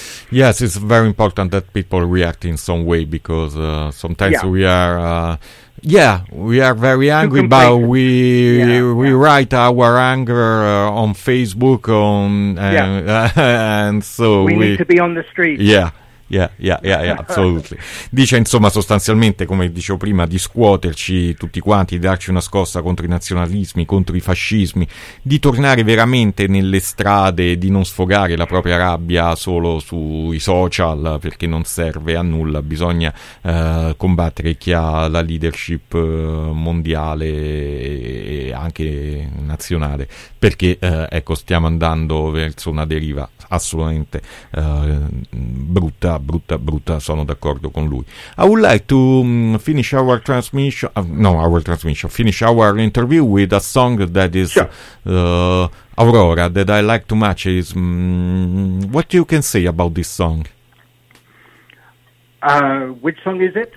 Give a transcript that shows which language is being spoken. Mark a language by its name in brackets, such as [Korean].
[English] Yes, it's very important that people react in some way, because sometimes we are... we are very angry, but we write our anger on Facebook, and so we need to be on the street. Assolutely. [Italian] Dice, insomma, sostanzialmente, come dicevo prima, di scuoterci tutti quanti, di darci una scossa contro i nazionalismi, contro i fascismi, di tornare veramente nelle strade, di non sfogare la propria rabbia solo sui social, perché non serve a nulla. Bisogna combattere chi ha la leadership mondiale e anche nazionale, perché ecco, stiamo andando verso una deriva assolutamente brutta, sono d'accordo con lui. [English] I would like to finish our transmission, finish our interview with a song that is Aurora, that I like too much. Is what you can say about this song? Which song is it?